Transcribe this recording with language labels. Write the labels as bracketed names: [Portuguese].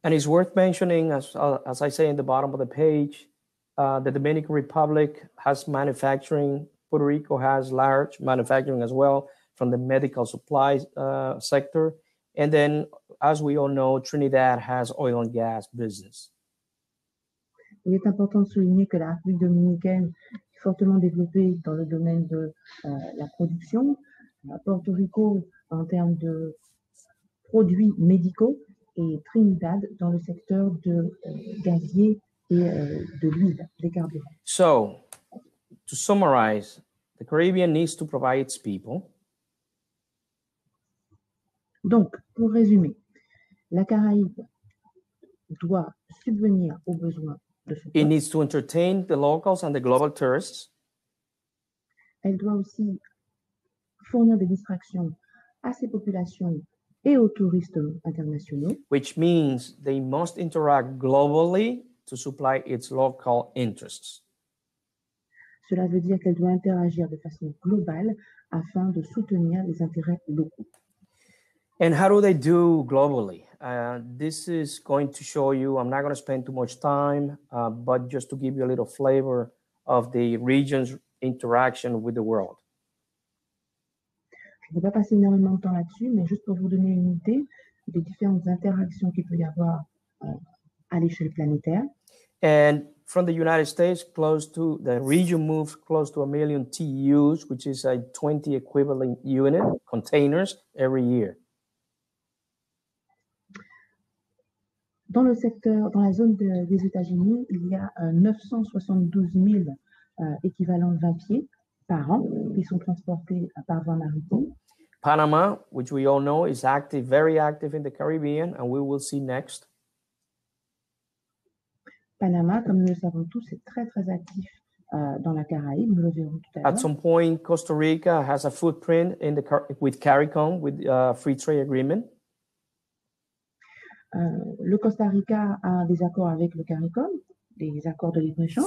[English] And it's worth mentioning, as I say in the bottom of the page, the Dominican Republic has manufacturing. Puerto Rico has large manufacturing as well from the medical supplies sector. And then, as we all know, Trinidad has oil and gas business. [French] Il est important de souligner que la République dominicaine est fortement développée dans le domaine de la production, Porto Rico en termes de produits médicaux et Trinidad dans le secteur de gazier et de l'huile, des carburants. [English] So, to summarize, the Caribbean needs to provide its people. [French] Donc, pour résumer, la Caraïbe doit subvenir aux besoins de son peuple. [English] It needs to entertain the locals and the global tourists. [French] Elle doit aussi fournir des distractions à ses populations et aux touristes internationaux. [English] Which means they must interact globally to supply its local interests. [French] Cela veut dire qu'elle doit interagir de façon globale afin de soutenir les intérêts locaux. [English] And how do they do globally? This is going to show you, I'm not going to spend too much time, but just to give you a little flavor of the region's interaction with the world. [French] Je ne vais pas passer énormément de temps là-dessus, mais juste pour vous donner une idée des différentes interactions qu'il peut y avoir à l'échelle planétaire. [English] And from the United States, close to the region moves close to a million TEUs, which is a 20 equivalent unit containers every year. [French] Dans le secteur, dans la zone des États-Unis, il y a 972 000 équivalents de 20 pieds par an qui sont transportés par voie maritime. [English] Panama, which we all know, is active, very active in the Caribbean, and we will see next. [French] Panama, comme nous le savons tous, est très, très actif dans la Caraïbe. Nous le verrons tout à l'heure. [English] At some point, Costa Rica has a footprint in the with CARICOM, with a free trade agreement. [French] Le Costa Rica a des accords avec le CARICOM, des accords de libre-échange.